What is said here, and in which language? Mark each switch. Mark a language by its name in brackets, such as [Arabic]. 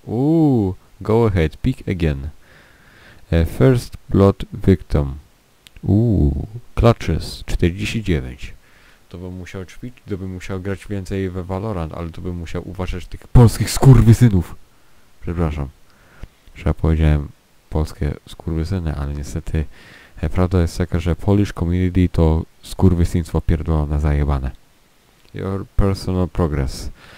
[English] Uuu, go ahead, pick again. First Blood Victim. Klaczes 49. [Polish] To bym musiał ćwiczyć, to bym musiał grać więcej we Valorant, ale to bym musiał uważać tych polskich skurwysynów. Przepraszam. Że ja powiedziałem polskie skurwysyny, ale niestety prawda jest taka, że [English] Polish community [Polish] to skurwysyństwo pierdolone, zajebane. [English] Your personal progress.